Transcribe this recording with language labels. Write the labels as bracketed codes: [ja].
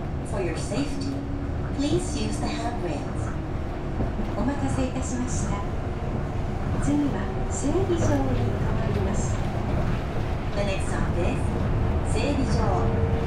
[en] For your safety, please use the handrails. [ja] お待たせいたしました。次は整備場に変わります。 [en] The next stop is 整備場。